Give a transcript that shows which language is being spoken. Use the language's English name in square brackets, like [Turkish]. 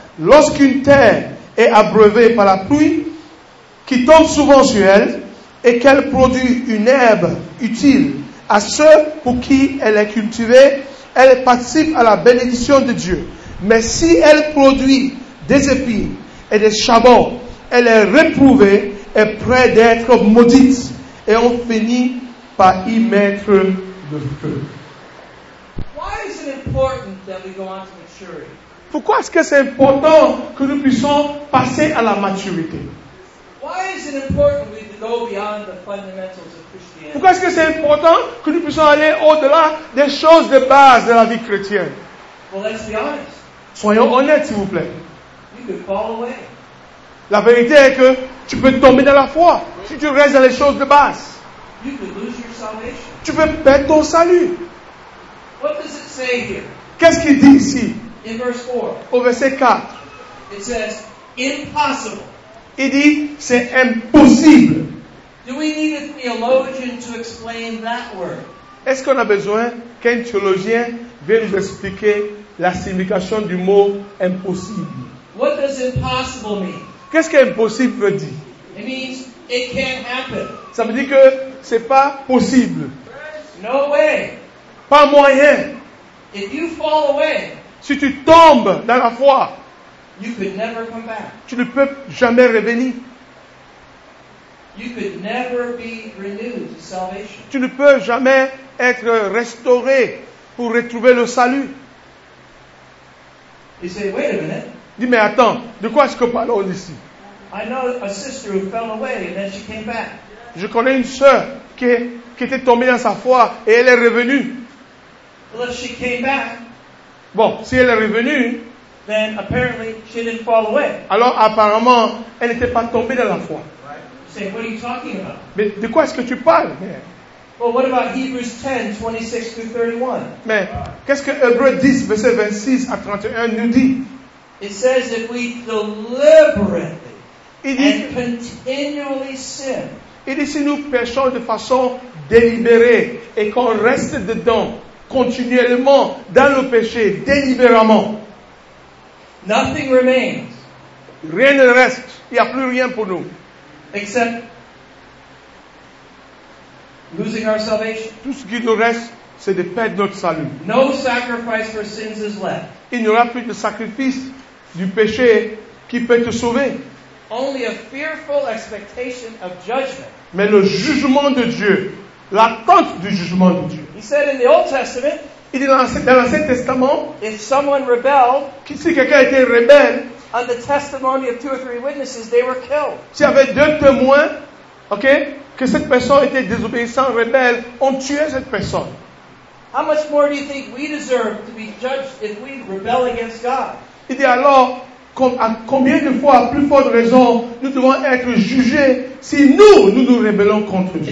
[French] Lorsqu'une terre est abreuvée par la pluie, qui tombe souvent sur elle, et qu'elle produit une herbe utile à ceux pour qui elle est cultivée, elle participe à la bénédiction de Dieu. Mais si elle produit des épines et des chabons, elle est réprouvée et près d'être maudite. Et on finit par y mettre le feu. [English] Why is it important that we go on to maturity? [French] Pourquoi est-ce que c'est important que nous puissions passer à la maturité? [English] Why is it important we go beyond the fundamentals of Christianity? [French] Pourquoi est-ce que c'est important que nous puissions aller au-delà des choses de base de la vie chrétienne? [English] Well, let's be honest. [French] Soyons honnêtes, s'il vous plaît. [English] You could fall away. [French] La vérité est que tu peux tomber dans la foi si tu restes dans les choses de base. [English] You could lose your salvation. [French] Tu peux perdre ton salut. [English] What does it say here? [French] Qu'est-ce qu'il dit ici? [English] In verse 4. [French] Au verset 4. [English] It says, impossible. [French] Il dit, c'est impossible. [English] Do we need a theologian to explain that word? [French] Est-ce qu'on a besoin qu'un théologien vienne nous expliquer la signification du mot impossible? [English] What does impossible mean? [French] Qu'est-ce qu'impossible veut dire? [English] It means it can't happen. [French] Ça veut dire que ce n'est pas possible. [English] No way. [French] Pas moyen. [English] If you fall away, [French] si tu tombes dans la foi, [English] you could never come back. [French] Tu ne peux jamais revenir. [English] You could never be renewed to salvation. [French] Tu ne peux jamais être restauré pour retrouver le salut. [English] You say, wait a minute. [French] Dis, mais attends, de quoi est-ce que parlons ici? [English] I know a sister who fell away and then she came back. [French] Je connais une sœur qui était tombée dans sa foi et elle est revenue. [English] Well, if she came back, [French] bon, si elle est revenue, [English] then apparently she didn't fall away. [French] Alors apparemment, elle n'était pas tombée dans la foi. [English] Say, what are you talking about? [French] Mais de quoi est-ce que tu parles, mère? [English] Well, what about Hebrews 10, 26 through 31? [French] Mais qu'est-ce que Hébreux 10, verset 26 à 31 nous dit? [English] It says that we deliberately and continually sin. [French] Il dit si nous péchons de façon délibérée et qu'on reste dedans continuellement dans le péché, délibérément. [English] Nothing remains. [French] Rien ne reste. Il n'y a plus rien pour nous. [English] Except losing our salvation. [French] Tout ce qui nous reste, c'est de perdre notre salut. [English] No sacrifice for sins is left. [French] Il n'y aura plus de sacrifice du péché qui peut te sauver. [English] Only a fearful expectation of judgment. [French] Mais le jugement de Dieu, l'attente du jugement de Dieu. [English] He said in the Old Testament, [French] il dit dans l'Ancien Testament, [English] if someone rebelled, [French] si quelqu'un était rebelle, [English] on the testimony of two or three witnesses, they were killed. [French] S'il y avait deux témoins, okay, que cette personne était désobéissante, rebelle, on tuait cette personne. [English] How much more do you think we deserve to be judged if we rebel against God? [French] Il dit alors, à combien de fois, à plus forte raison, nous devons être jugés si nous, nous nous rébellons contre Dieu.